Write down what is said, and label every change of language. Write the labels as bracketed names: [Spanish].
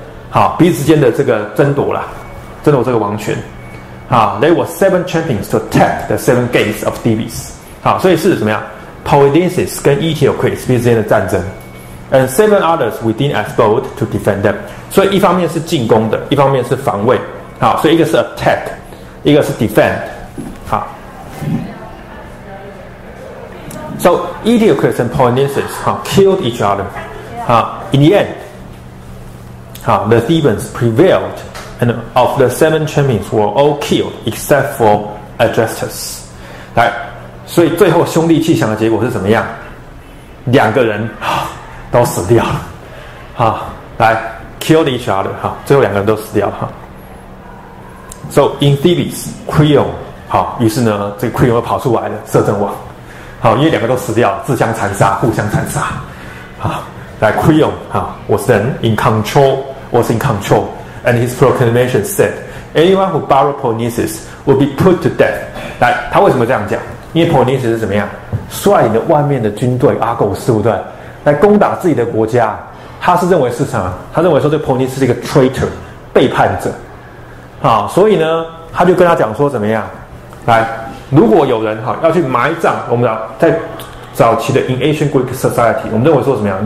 [Chinese] 好，彼此之间的这个争夺啦，争夺这个王权。 [English] There were 7 champions to attack the 7 gates of Thebes。 [Chinese] 好，所以是怎么样 ？Polynices 跟 Eteocles 彼此之间的战争 ， [English] and 7 others within Asbod to defend them。 [Chinese] 所以一方面是进攻的，一方面是防卫。 [English] 好， [Chinese] 所以一个是 attack， 一个是 defend。 [English] 好 ，So Eteocles and Polynices killed each other。In the end。 The Thebans prevailed, and of the 7 champions were all killed except for Adrastus. [Chinese] 来，所以最后兄弟阋墙的结果是怎么样？两个人都死掉了。 [English] 来 ，killed each other. [Chinese] 最后两个人都死掉了。 [English] So in Thebes, Creon. [Chinese] 于是呢，这个 Creon 又跑出来了，摄政王。因为两个都死掉了，自相残杀，互相残杀。 [English] 来 ，Creon. Was then in control. Was in control, and his proclamation said, "Anyone who borrowed Polynices will be put to death." [Chinese] 来，他为什么这样讲？因为 Polynices 是怎么样？率领的外面的军队阿狗斯，对不对？来攻打自己的国家，他是认为是什么？他认为说这 Polynices 是一个 traitor， 背叛者。所以呢，他就跟他讲说怎么样？来，如果有人要去埋葬，我们讲在早期的 [English] in ancient Greek society， [Chinese] 我们认为说怎么样？